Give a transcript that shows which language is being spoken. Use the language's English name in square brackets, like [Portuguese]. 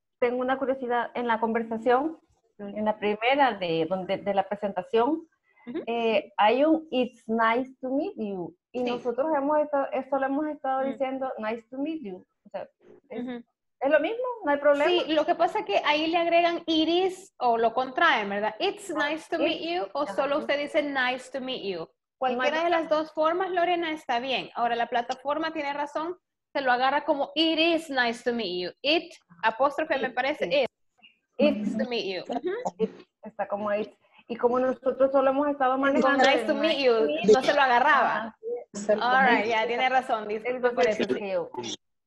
[Spanish] Tengo una curiosidad en la conversación, en la primera de la presentación. Uh-huh. Hay un [English] it's nice to meet you. [Spanish] Y sí. Nosotros hemos estado, esto lo hemos estado uh-huh. diciendo [English] nice to meet you. [Spanish] O sea, ¿es lo mismo? ¿No hay problema? Sí, lo que pasa es que ahí le agregan [English] it is [Spanish] o lo contraen, ¿verdad? [English] It's nice to meet you [Spanish] o solo usted dice [English] nice to meet you. [Spanish] Cualquiera de las dos formas, Lorena, está bien. Ahora, la plataforma tiene razón, se lo agarra como [English] it is nice to meet you. It, [Spanish] apóstrofe, me parece, [English] it. It's to meet you. [Spanish] Uh-huh. Está como it. Y como nosotros solo hemos estado manejando... Con nice to meet you, no se lo agarraba. All right, ya, yeah, tiene razón. Disculpe por eso. Sí.